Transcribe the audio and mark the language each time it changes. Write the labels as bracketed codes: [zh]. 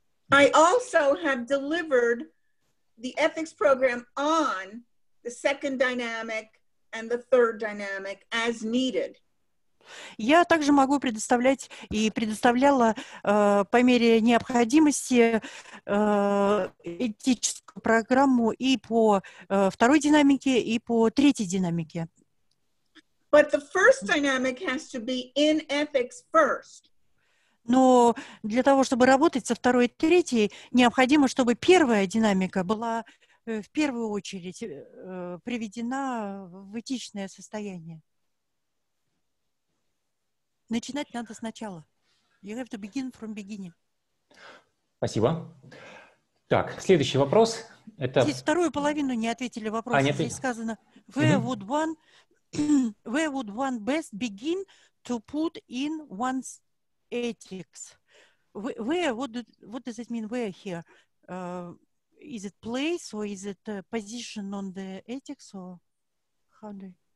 [en] I also have delivered the ethics program on the second dynamic and the third dynamic as needed. [ru] Я также могу предоставлять и предоставляла по мере необходимости этическую программу и по второй динамике, и по третьей динамике. [en] But the first dynamic has to be in ethics first. [ru] Но для того, чтобы работать со второй и третьей, необходимо, чтобы первая динамика была в первую очередь приведена в этичное состояние. Начинать надо сначала. [en] You have to begin from beginning. [ru] Спасибо. Так, следующий вопрос. Это... Здесь вторую половину не ответили вопросом. Нет... Здесь сказано, where, mm-hmm. [en] would one, where would one best begin to put in one's ethics? Where, what does it mean, where here? Is it place or is it position on the ethics or how do you...